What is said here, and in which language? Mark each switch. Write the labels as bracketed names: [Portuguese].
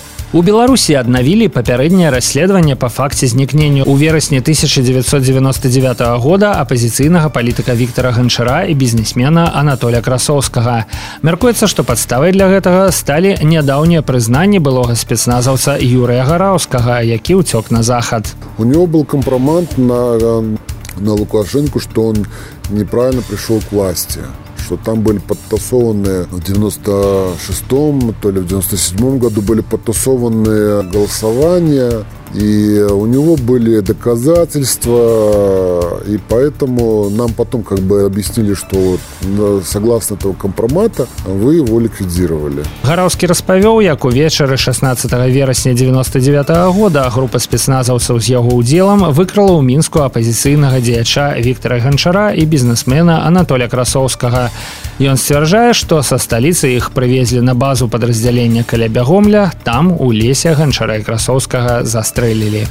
[Belarusian] У Беларусі аднавілі папярэдняе расследаванне па факце знікнення ў верасні 1999 года апазіцыйнага палітыка Віктара Ганчара і бізнесмена Анатоля Красоўскага. Мяркуецца, што падставай для гэтага сталі нядаўнія прызнанні былога спецназаўца Юрыя Гараўскага, які ўцёк на захад. [Russian] У него был компромат на Лукашэнку, што он неправільна прыйшоў к власці. Что там были подтасованы в 96-м, то ли в 97-м году были подтасованы голосования, и у него были доказательства, и поэтому нам потом как бы объяснили, что вот, согласно этого компромата вы его ликвидировали. [Belarusian] Гараўскі распавёў, як у вечары 16 верасня 99-го года група спецназаўцаў з яго ўдзелам выкрала ў Мінску апазіцыйнага дзеяча Віктара Ганчара і бізнесмена Анатоля Красоўскага. Ён сцвярджае, што са сталіцы іх прывезлі на базу падраздзялення каля Бягомля, там у лесе Ганчара і Красоўскага застрэлілі.